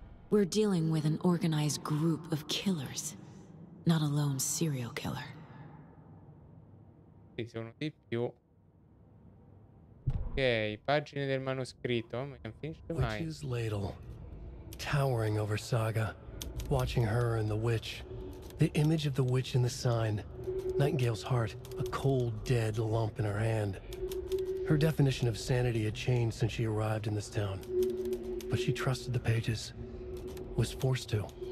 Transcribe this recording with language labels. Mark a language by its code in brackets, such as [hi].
[en] We're dealing with an organized group of killers, not a lone serial killer. [it] Ci sono di più. Ok, pagine del manoscritto, ma non finisce mai. [en] Witch's ladle, towering over Saga, watching her and the witch. The image of the witch in the sign. Nightingale's heart, a cold, dead lump in her hand. Her definition of sanity had changed since she arrived in this town. But she trusted the pages. Was forced to.